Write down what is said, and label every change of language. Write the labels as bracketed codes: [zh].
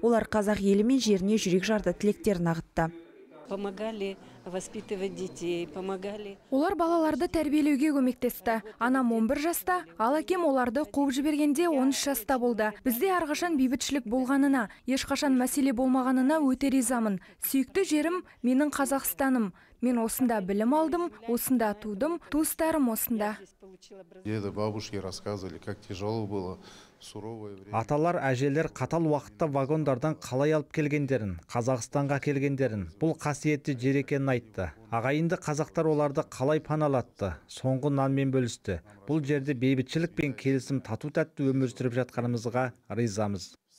[kk] Олар қазақ елі мен жеріне жүрек жарды тілектерін ағытты. Олар балаларды тәрбиелеуге көмектесті. Анам 11 жаста, ал әкем оларды қуып жібергенде 13 жаста болды. Бізде арғашан бейбітшілік болғанына, ешқашан мәселе болмағанына өте ризамын. Сүйікті жерім менің Қазақстаным. Мен осында білім алдым, осында тудым, туыстарым осында. [ru] Деді бабушке рассказывали, как тяжело было. [kk] Аталар, әжелер қатал уақытта вагондардан қалай алып келгендерін, Қазақстанға келгендерін, бұл қасиетті жер екенін айтты. Ағайынды қазақтар оларды қалай паналатты, соңғы нанмен бөлісті. Бұл жерде бейбітшілік пен келісім тату тәтті өмір сүріп жатқанымызға ризамыз.